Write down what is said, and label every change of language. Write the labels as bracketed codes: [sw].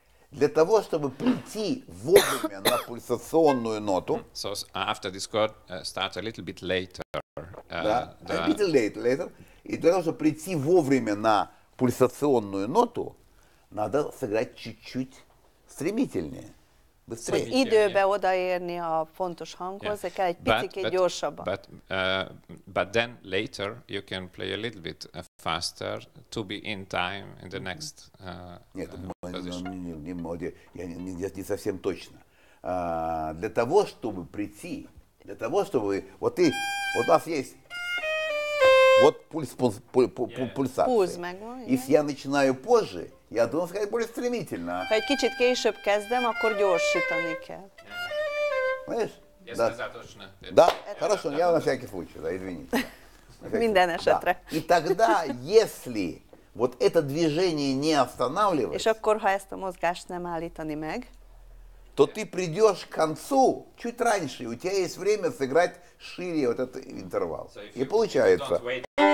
[ru] Для того, чтобы прийти вовремя на пульсационную ноту. [en] So after this chord, start a little bit later. Да, a little bit later. [ru] И для того, чтобы прийти вовремя на пульсационную ноту, надо сыграть чуть-чуть стремительнее. [hu] Időbe odaérni a fontos hanghoz, de kell egy picit gyorsabban. [en] But then later you can play a little bit faster to be in time in the next. [ru] Не совсем точно. Для того, чтобы прийти, для того, чтобы вот и вот у нас есть вот пульсация. Если я начинаю позже. Я должен сказать более стремительно. [hu] Ha egy kicsit később kezdem, akkor gyorsítani kell. [ru] Понимаешь? Да, хорошо, я на всякий случай, да, извините. [hu] Minden esetre. [ru] И тогда, если вот это движение не останавливать, [hu] és akkor, ha ezt a mozgást nem állítani meg, [ru] то ты придешь к концу чуть раньше, у тебя есть время сыграть шире вот этот интервал. И получается...